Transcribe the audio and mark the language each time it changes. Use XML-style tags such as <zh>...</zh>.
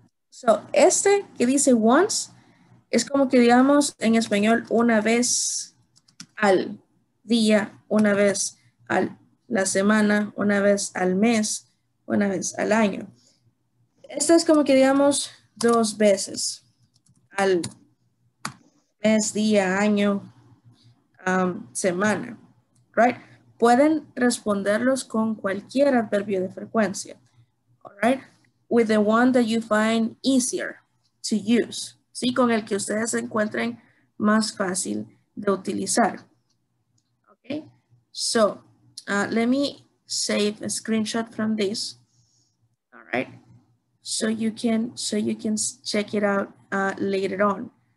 <es>So, este que dice once, es como que digamos en español una vez al día, una vez a la semana, una vez al mes, una vez al año. Este es como que digamos dos veces al mes, día, año, semana, right? Pueden responderlos con cualquier adverbio de frecuencia.</es> <en>Right, with the one that you find easier to use.</en> <es>Sí, con el que ustedes encuentren más fácil de utilizar.</es> <en>Okay, so let me save a screenshot from this. All right, so you can check it out later on.</en>